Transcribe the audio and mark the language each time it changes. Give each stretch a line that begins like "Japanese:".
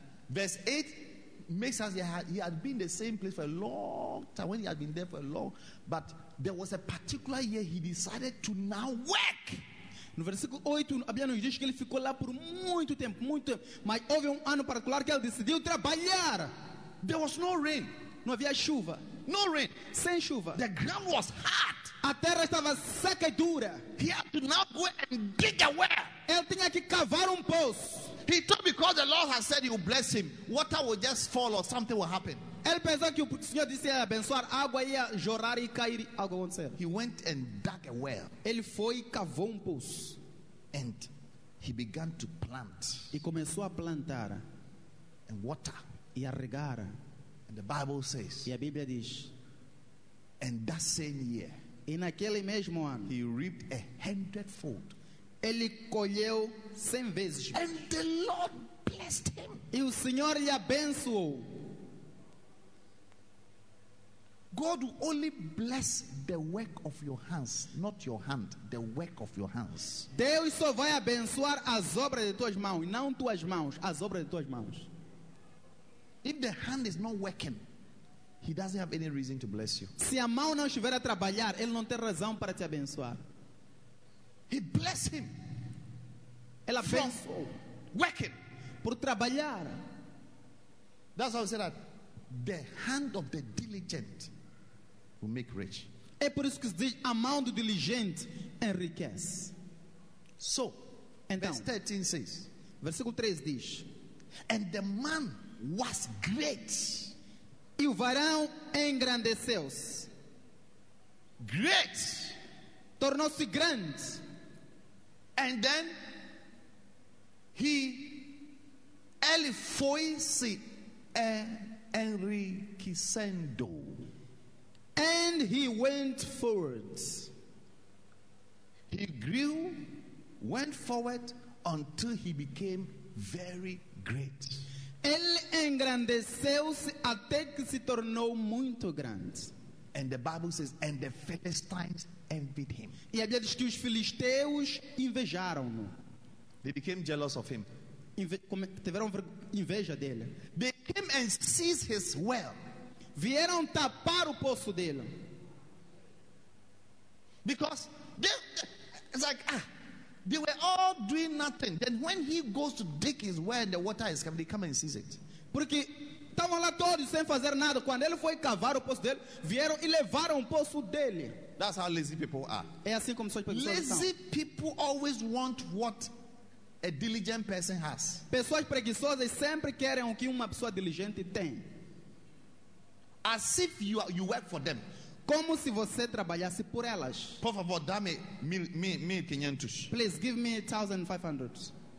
English: Verse 8 makes us, he had been the same place for a long time, when he had been there for a long, but there was a particular year he decided to now work.
Portuguese: No versículo 8, a Bíblia nos diz que ele ficou lá por muito tempo, muito tempo. Mas houve ano particular que ele decidiu trabalhar.
English: There was no rain.
Portuguese: Não havia chuva.
English: No rain.
Portuguese: Sem chuva.
English: The ground was hard.
Portuguese: A terra estava seca e dura.
English: He had to now go and dig a well.
Portuguese: Ele tinha que cavar poço.
English: He thought because the Lord has said he will bless him, water will just fall or something will happen.
Portuguese: Ele pensou que o Senhor disse que ia abençoar, água ia jorrar e cair, algo aconteceu.
English: He went and dug a well.
Portuguese: Ele foi e cavou poço.
English: And he began to plant.
Portuguese: E começou a plantar.
English: And water.
Portuguese: E a regar.
English: And the Bible says.
Portuguese: E a Bíblia diz.
English: And that same year.
Portuguese: E naquele mesmo ano.
English: He reaped 100-fold.
Portuguese: Ele colheu 100 vezes.
English: And the Lord blessed him.
Portuguese: E o Senhor lhe abençoou.
English: God will only bless the work of your hands, not your hand, the work of your hands.
Portuguese: Deus só vai abençoar as obras de tuas mãos, não tuas mãos, as obras de tuas mãos.
English: If the hand is not working, he doesn't have any reason to bless you.
Portuguese: Se a mão não estiver a trabalhar, ele não tem razão para te abençoar.
English: He bless him.
Portuguese: Ele abençoa.
English: Working.
Portuguese: Por trabalhar.
English: That's how I say that. The hand of the diligent will make rich.
Portuguese: É por isso que se diz, a mão do diligente enriquece.
English: So,
Portuguese: então,
English: verse 13 says,
Portuguese: versículo 3 diz,
English: and the man was great.
Portuguese: E o varão engrandeceu-se.
English: Great.
Portuguese: Tornou-se grande.
English: And then, he,
Portuguese: ele foi se enriquecendo.
English: And he went forward. He grew, went forward until he became very great.
Portuguese: Ele engrandeceu-se até que se tornou muito grande.
English: And the Bible says, and the Philistines envied him.
Portuguese: E a Bíblia diz que os filisteus invejaram-no.
English: They became jealous of him.
Portuguese: Tiveram inveja dele.
English: They came and seized his well.
Portuguese: Vieram tapar o poço dele.
English: Because it's like, ah, They were all doing nothing. Then when he goes to dig his well and the water is coming, they come and seize it.
Portuguese: Porque estavam lá todos sem fazer nada. Quando ele foi cavar o poço dele, vieram e levaram o poço dele.
English: That's how lazy people are.
Portuguese: É assim como são as pessoas.
English: Lazy people always want what a diligent person has.
Portuguese: Pessoas preguiçosas sempre querem o que uma pessoa diligente tem.
English: As if you work for them.
Portuguese: Como se você trabalhasse por elas. Por favor, dame 1,500.
English: Please give me 1,500.